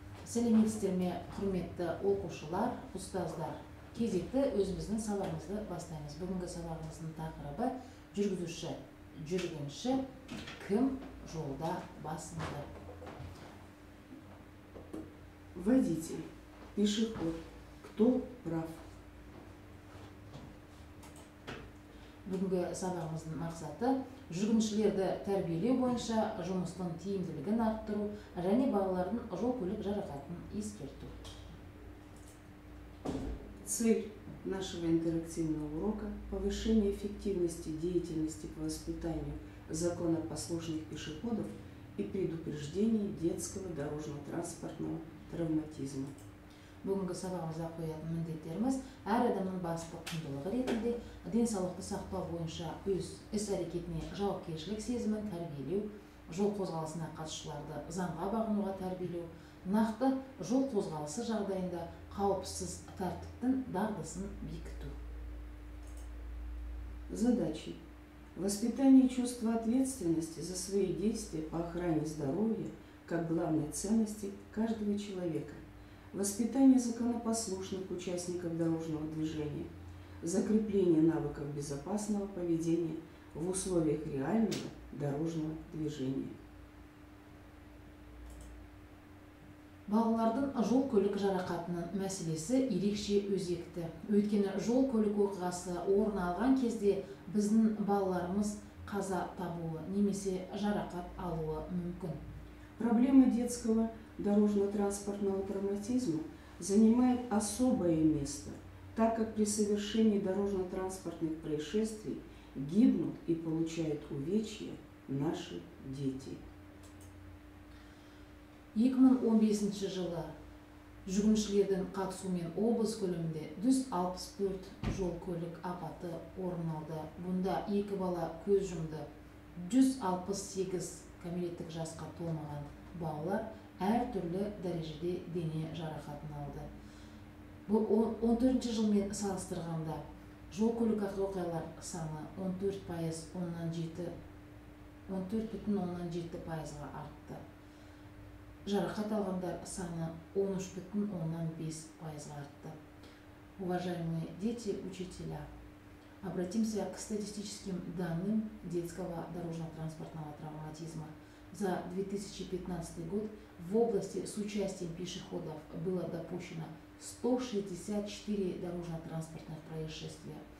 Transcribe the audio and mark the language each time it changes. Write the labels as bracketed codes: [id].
[kk] Сәлеметсіздер ме, құрметті оқушылар, ұстаздар. Кезекті өзіміздің сабағымызды бастаймыз. Бүгінгі сабағымыздың тақырыбы жүргізуші, жүргінші, кім жолда басынды? [ru] Водитель, пешеход, кто прав? [kk] Бүгінгі сабағымыздың мақсаты жүргіншілерді тәрбиелеу бойынша жұмыстың тиімділігін арттыру және балалардың жол көлік жарақатын ескерту. [ru] Цель нашего интерактивного урока – повышение эффективности деятельности по воспитанию законопослушных пешеходов и предупреждение детского дорожно-транспортного травматизма. [kk] Бүгінгі сабағымызда қоятын міндеттеріміз әр адамның басты құндылығы ретінде денсаулықты сақтау бойынша өз іс-әрекетіне жауапкершілік сезімін тәрбиелеу, жол қозғалысына қатысушыларды заңға бағынуға тәрбиелеу, нақты жол қозғалысы жағдайында қауіпсіз тәртіптің дағдысын бекіту. [ru] Задачи. Воспитание чувства ответственности за свои действия по охране здоровья как главной ценности каждого человека. Воспитание законопослушных участников дорожного движения, закрепление навыков безопасного поведения в условиях реального дорожного движения. [kk] Балалардың жол көлік жарақатының мәселесі ерекше өзекті. Өйткені жол көлік оқиғасы орын алған кезде біздің балаларымыз қаза табуы немесе жарақат алуы мүмкін. [ru] Проблема детского дорожно-транспортного травматизма занимает особое место, так как при совершении дорожно-транспортных происшествий гибнут и получают увечья наши дети. [kk] 2015 жылы жүргіншілердің қатысуымен облыс көлемінде 164 жол көлік апаты орын алды. Бұнда 2 бала көз жұмды. 168 кәмелеттік жасқа толмаған балалар әр түрлі дәрежеде дене жарақатын алды. Бұл 14 жылмен салыстырғанда жол көлік оқиғалар саны 14,7% артты. Жарақат алғандар саны 13,5% артты. [ru] Уважаемые дети, учителя, обратимся к статистическим данным детского дорожно-транспортного травматизма. За 2015 год в области с участием пешеходов было допущено 164 дорожно-транспортных происшествия.